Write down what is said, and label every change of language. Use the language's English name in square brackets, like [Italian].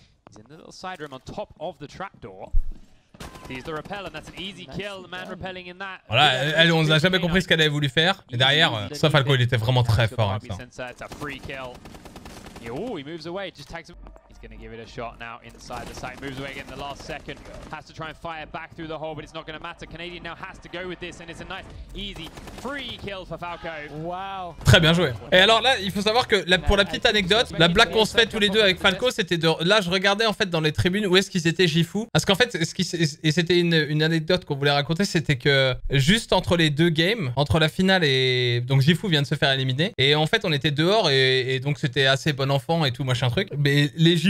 [English] He's in the little side room on top of the trapdoor. He's the rappel and that's an easy kill, the man rappelling in that. [French] Voilà, elle, on n'a jamais compris ce qu'elle avait voulu faire. Et derrière, ça, Falco, il était vraiment très fort avec ça. [English] It's a free kill. Oh, he moves away, just tags him. He's gonna give it a shot now inside the site. Moves away again in the last second. Has to try and fire back through the hole, but it's not gonna matter. Canadian now has to go with this, and it's a nice, easy, free kill for Falco. [French] Wow. Très bien joué. Et alors là, il faut savoir que pour la petite anecdote, la blague qu'on se fait tous les deux avec Falco, c'était de... Là, je regardais en fait dans les tribunes où est-ce qu'ils étaient Jifu. Parce qu'en fait, et c'était une anecdote qu'on voulait raconter, c'était que juste entre les deux games, entre la finale et... Donc Jifu vient de se faire éliminer. Et en fait, on était dehors et donc c'était assez bon enfant et tout machin truc, mais les Jifu